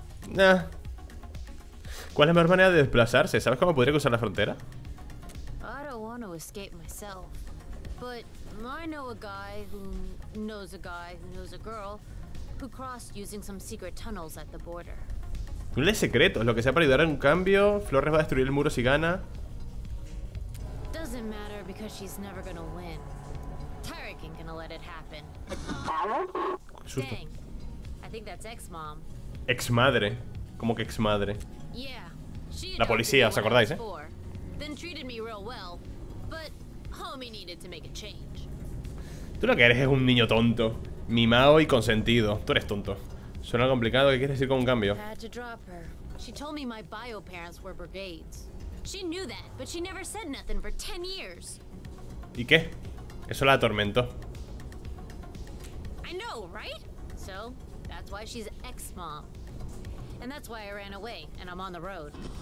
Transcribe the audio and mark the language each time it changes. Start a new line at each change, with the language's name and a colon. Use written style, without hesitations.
Spanish: Nah. ¿Cuál es la mejor manera de desplazarse? ¿Sabes cómo podría cruzar la frontera?
English: I don't want to escape myself. But I know a guy who knows a guy who knows a girl who crossed using some secret tunnels at the border.
Spanish: Túneles secretos, lo que sea para ayudar en un cambio. Flores va a destruir el muro si gana.
English: Doesn't matter because she's never gonna win. Tarek ain't gonna let it happen. Dang, I think that's ex-mom.
Spanish: Ex-madre, como que ex-madre.
English: Yeah.
Spanish: La policía, ¿os acordáis, eh?
English: Then treated me real well, but. Homie needed to make a change.
Spanish: Tú lo que eres es un niño tonto, mimado y consentido. Tú eres tonto. Suena complicado, ¿qué quieres decir con un cambio?
English: I had to drop her. She told me my bio parents were brigades. She knew that, but she never said nothing for 10 years.
Spanish: ¿Y qué? Eso la atormentó.
English: I know, right? So, that's why she's ex-mom. And that's why I ran away and I'm on the road.